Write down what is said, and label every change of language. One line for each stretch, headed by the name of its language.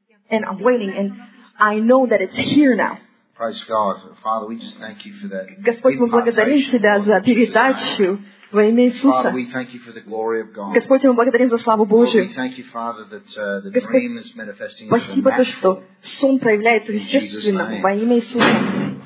English: And I'm waiting, and I know that it's here now. Praise God. Father, we just thank you for that.
Russian: Господь, мы благодарим тебя за передачу.
English: Father, we thank you for the glory of God.
Russian: Господи, мы благодарим за славу Божию.
English: Lord, we thank you, Father, that the
Russian: Господь,
English: dream is manifesting in the natural.
Russian: Спасибо, что сон проявляется естественно во имя Иисуса.